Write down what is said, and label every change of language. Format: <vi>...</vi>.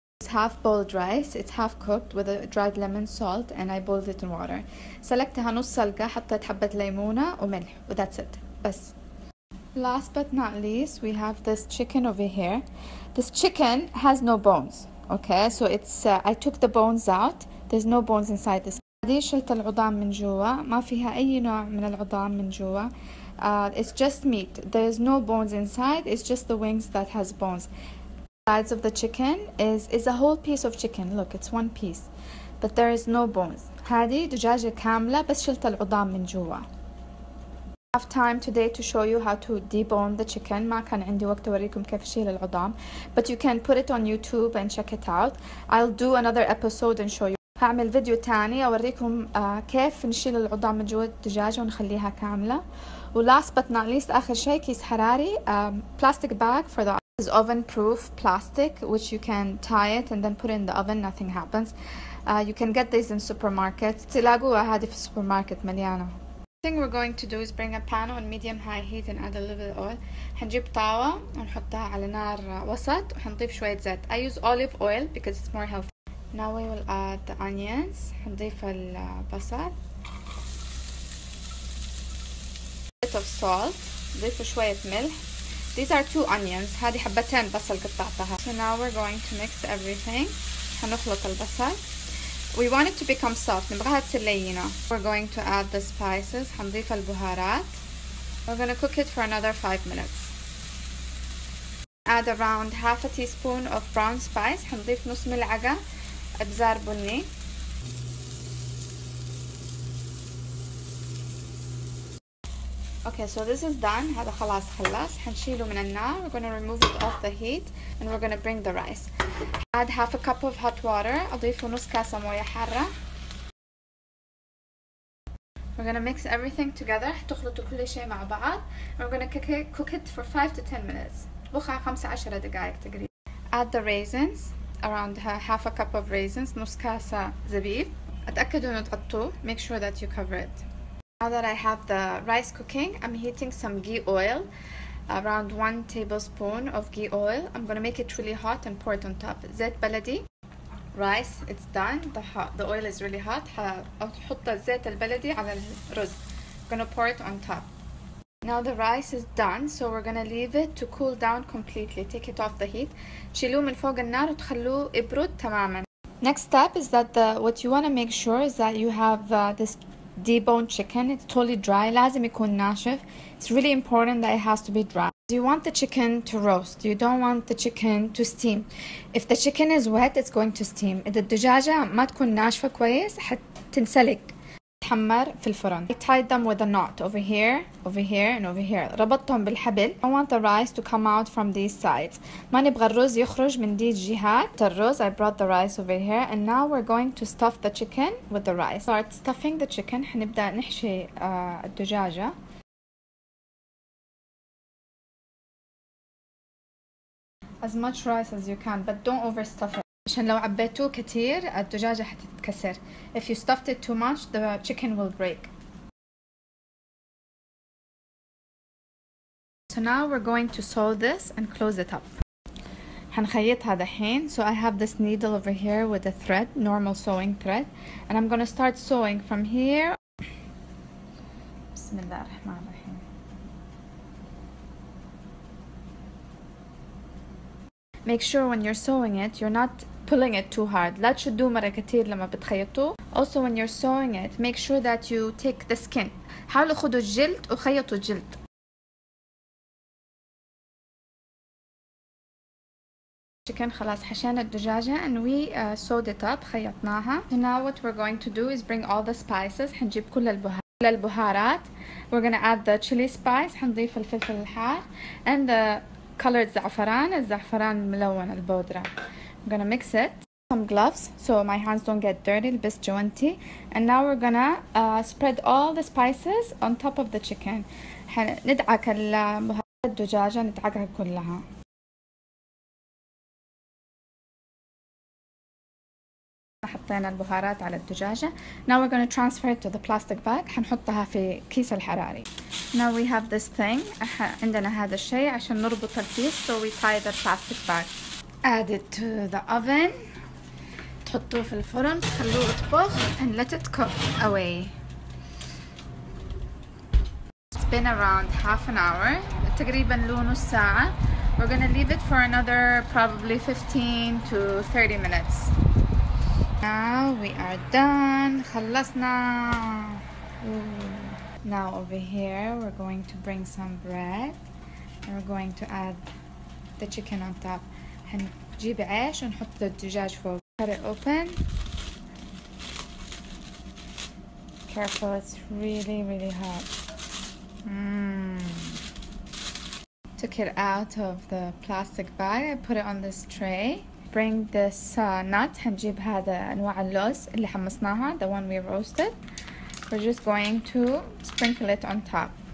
<en>Half boiled rice, it's half cooked with a dried lemon salt, and I boiled it in water.</en> <ar>سلقتها نص سلقة, حطيت حبة ليمونة وملح,</ar> <en>that's it.</en> <ar>بس.</ar> <en>Last but not least, we have this chicken over here. This chicken has no bones. Okay, so it's I took the bones out. There's no bones inside this.</en> <ar>هذه شلت العظام من جوا, ما فيها أي نوع من العظام من جوا.</ar> <en>It's just meat. There's no bones inside. It's just the wings that has bones. Sides of the chicken is a whole piece of chicken. Look, it's one piece, but there is no bones.</en> <ar>هذه دجاجة كاملة بس شلت العظام من جوا.</ar> <en>Have time today to show you how to debone the chicken.</en> <ar>ما كان عندي وقت أوريكم كيف أشيل العظام,</ar> <en>but you can put it on YouTube and check it out. I'll do another episode and show you.</en> <ar>هعمل فيديو تاني أوريكم كيف نشيل العظام من جوا الدجاجة ونخليها كاملة.</ar> <en>Last but not least,</en> <ar>آخر شيء كيس حراري,</ar> <en>plastic bag for the is oven proof plastic, which you can tie it and then put it in the oven, nothing happens. You can get these in supermarkets.</en> <ar>تلاقوها هذه في السوبرماركت مليانة.</ar> <en>Thing we're going to do is bring a pan on medium high heat and add a little oil.</en> <ar>هنجيب طاوة ونحطها على نار وسط وحنضيف شوية زيت.</ar> <en>I use olive oil because it's more healthy. Now we will add the onions.</en> <ar>هنضيف البصل.</ar> <en>Bit of salt.</en> <ar>ضيف شوية ملح.</ar> <en>These are two onions.</en> <ar>هذه حبتين بصل قطعتها.</ar> <en>So now we're going to mix everything.</en> <ar>هنخلط البصل.</ar> <en>We want it to become soft.</en> <ar>نبغاها تصير لينة.</ar> <en>We're going to add the spices.</en> <ar>هنضيف البهارات.</ar> <en>We're going to cook it for another 5 minutes. Add around half a teaspoon of brown spice.</en> <ar>هنضيف نص ملعقة ابزار بني.</ar> <en>Okay, so this is done.</en> <ar>هذا خلاص خلص. حنشيله من النار.</ar> <en>We're gonna remove it off the heat, and we're gonna bring the rice. Add half a cup of hot water.</en> <ar>أضيف نص كاسة موية حارة.</ar> <en>We're gonna mix everything together.</en> <ar>تخلطوا كل شيء مع بعض.</ar> <en>We're gonna cook it for 5 to 10 minutes.</en> <ar>بخا 15 دقائق تقريبا.</ar> <en>Add the raisins. Around half a cup of raisins.</en> <ar>نص كاسة زبيب. أتأكدوا إنه تغطوه.</ar> <en>Make sure that you cover it. Now that I have the rice cooking, I'm heating some ghee oil, around 1 tablespoon of ghee oil. I'm gonna make it really hot and pour it on top.</en> <ar>زيت بلدي.</ar> <en>Rice, it's done. The oil is really hot.</en> <ar>حط الزيت البلدي على الرز.</ar> <en>Gonna pour it on top. Now the rice is done, so we're gonna leave it to cool down completely. Take it off the heat.</en> <ar>شيلوه من فوق النار وتخلوه يبرد تماما.</ar> <en>Next step is that what you wanna make sure is that you have this deboned chicken. It's totally dry.</en> <ar>لازم يكون ناشف.</ar> <en>It's really important that it has to be dry. You want the chicken to roast. You don't want the chicken to steam. If the chicken is wet, it's going to steam.</en> <ar>إذا الدجاجة ما تكون ناشفة كويس حتنسلق. تحمر في الفرن.</ar> <en>I tied them with a knot over here, and over here.</en> <ar>ربطتهم بالحبل.</ar> <en>I want the rice to come out from these sides.</en> <ar>ما نبغى الرز يخرج من دي الجهات.</ar> <en>الرز, I brought the rice over here, and now we're going to stuff the chicken with the rice. Start stuffing the chicken.</en> <ar>حنبدأ نحشي الدجاجة.</ar> <en>As much rice as you can, but don't overstuff it.</en> <ar>عشان لو عبيتوه كتير الدجاجة حتتكسر.</ar> <en>If you stuffed it too much, the chicken will break. So now we're going to sew this and close it up.</en> <ar>حنخيطها دحين.</ar> <en>So I have this needle over here with a thread, normal sewing thread. And I'm gonna start sewing from here.</en> <ar>بسم الله الرحمن الرحيم.</ar> <en>Make sure when you're sewing it, you're not pulling it too hard.</en> <ar>لا تشدوه مرة كتير لما بتخيطوه.</ar> <en>Also, when you're sewing it, make sure that you take the skin.</en> <ar>حاولوا خدوا الجلد وخيطوا الجلد.</ar> <en>Chicken,</en> <ar>خلاص حشينا الدجاجة</ar> <en>and we sewed it up,</en> <ar>خيطناها.</ar> <en>So now what we're going to do is bring all the spices.</en> <ar>حنجيب كل البهارات.</ar> <en>We're gonna add the chili spice.</en> <ar>حنضيف الفلفل الحار</ar> <en>and the colored</en> <ar>زعفران. الزعفران الملون البودرة.</ar> <en>I'm gonna mix it. Some gloves so my hands don't get dirty.</en> <ar>البس جوانتي.</ar> <en>And now we're gonna spread all the spices on top of the chicken.</en> <ar>حندعك البهارات الدجاجة ندعكها كلها. حطينا البهارات على الدجاجة.</ar> <en>Now we're going to transfer it to the plastic bag.</en> <ar>حنحطها في كيس الحراري.</ar> <en>Now we have this thing.</en> <ar>عندنا هذا الشيء عشان نربط الكيس.</ar> <en>So we tie the plastic bag. Add it to the oven.</en> <ar>تحطوه في الفرن. خلوه يطبخ.</ar> <en>And let it cook away. It's been around half an hour.</en> <ar>تقريبا له نص ساعة.</ar> <en>We're going to leave it for another probably 15 to 30 minutes. Now we are done.</en> <ar>خلصنا.</ar> <en>Now over here we're going to bring some bread. We're going to add the chicken on top.</en> <ar>هنجيب عيش ونحط الدجاج فوق.</ar> <en>Cut it open. Careful, it's really, really hot. Took it out of the plastic bag. I put it on this tray. Bring this nut.</en> <ar>هنجيب هذا أنواع اللوز اللي حمصناها,</ar> <en>the one we roasted. We're just going to sprinkle it on top.</en>